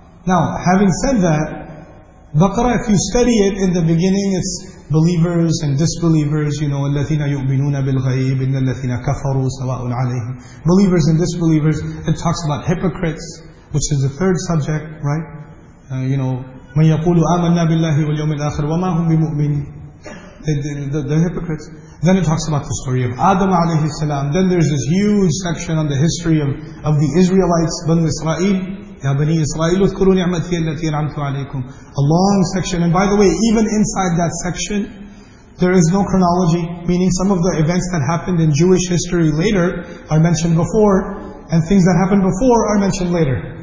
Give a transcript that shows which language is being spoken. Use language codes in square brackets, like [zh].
[en] Now, having said that, Baqarah, if you study it in the beginning, it's believers and disbelievers, you know, [ar] الَّذِينَ يُؤْمِنُونَ بِالْغَيْبِ إِنَّ الَّذِينَ كَفَرُوا سَوَاءٌ عَلَيْهِمْ. [en] Believers and disbelievers, it talks about hypocrites, which is the third subject, right? You know, [ar] مَنْ يَقُولُ آمَنَّا بِاللَّهِ وَالْيَوْمِ الْآخِرِ وَمَا هُمْ بِمُؤْمِنِ. [en] The hypocrites. Then it talks about the story of Adam alayhi salam. Then there's this huge section on the history of the Israelites, Bani Israel. [ar] يَا بَنِي إِسْرَائِيلُ اذْكُرُوا نِعْمَتِيَ الَّتِي أَنْعَمْتُ عَلَيْكُمْ. [en] A long section. And by the way, even inside that section, there is no chronology, meaning some of the events that happened in Jewish history later are mentioned before, and things that happened before are mentioned later.